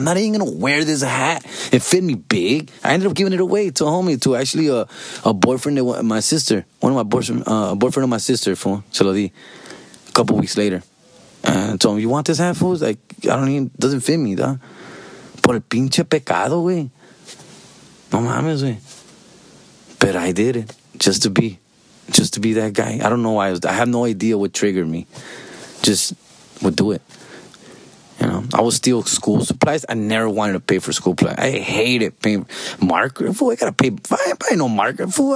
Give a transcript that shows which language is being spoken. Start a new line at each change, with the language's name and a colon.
English: I'm not even going to wear this hat. It fit me big. I ended up giving it away to a homie, to actually a boyfriend of my sister. One of my boyfriend, a boyfriend of my sister, fool,
Spanish: se lo di,
English: a couple weeks later. And I told him, you want this hat, fool? It's like, doesn't fit me, dog.
Spanish: Por el pinche pecado, güey. No mames, güey.
English: But I did it just to be that guy. I don't know why. I have no idea what triggered me. Just would do it. You know? I would steal school supplies. I never wanted to pay for school supplies. I hate it. Paying marker, fool. I gotta pay. I ain't buying no marker, fool.